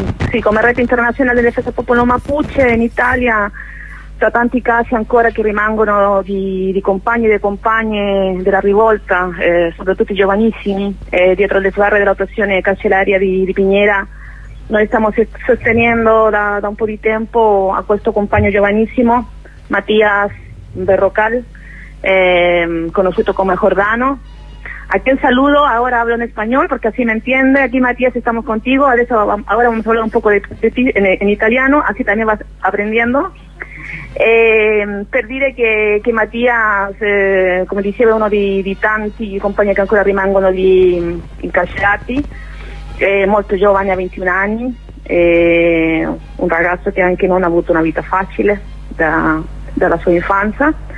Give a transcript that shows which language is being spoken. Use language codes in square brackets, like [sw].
[it] Sì, come rete internazionale delle feste popolo mapuche in Italia, tra tanti casi ancora che rimangono di compagni e di compagne della rivolta, soprattutto i giovanissimi, dietro le sbarre dell'operazione carceraria di Piñera, noi stiamo sostenendo da un po' di tempo a questo compagno giovanissimo, Matías Berrocal, conosciuto come Giordano. [es] A quien saludo, ahora hablo en español porque así me entiende. Aquí Matías, estamos contigo. Ahora vamos a hablar un poco de ti en italiano, así también vas aprendiendo. [it] Per dire che Matías, come diceva, uno di tanti compagni che ancora rimangono lì incarcerati, molto giovane, a 21 anni, un ragazzo che anche non ha avuto una vita facile dalla sua infanzia,